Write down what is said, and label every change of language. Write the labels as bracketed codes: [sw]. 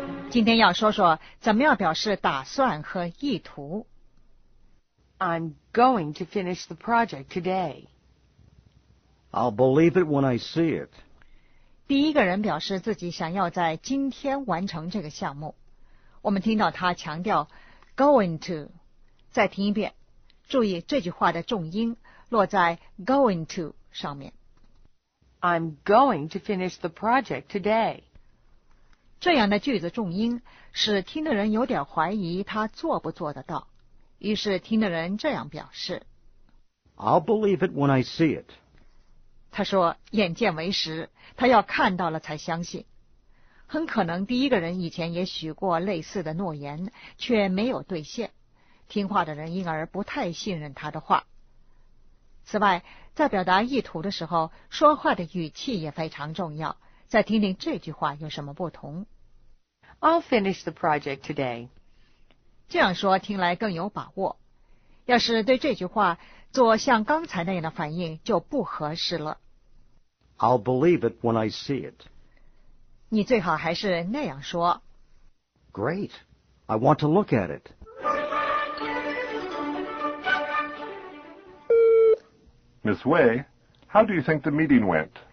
[zh] 今天要说说怎么样表示打算和意图。 [en] I'm going to finish the project today. I'll believe it when I see it. [zh] 第一个人表示自己想要在今天完成这个项目。我们听到他强调 going to. 再听一遍，注意这句话的重音落在 going to 上面。 I'm going to finish the project today. 这样的句子重音使听的人有点怀疑他做不做得到，于是听的人这样表示 [en] I'll believe it when I see it. [zh] 他说眼见为实，他要看到了才相信。很可能第一个人以前也许过类似的诺言，却没有兑现，听话的人因而不太信任他的话。此外，在表达意图的时候，说话的语气也非常重要。再听听这句话有什么不同。 [en] I'll finish the project today. [zh] 这样说听来更有把握。要是对这句话做像刚才那样的反应就不合适了。 [en] I'll believe it when I see it. [zh] 你最好还是那样说。 [en] Great. I want to look at it. Miss Wei, how do you think the meeting went?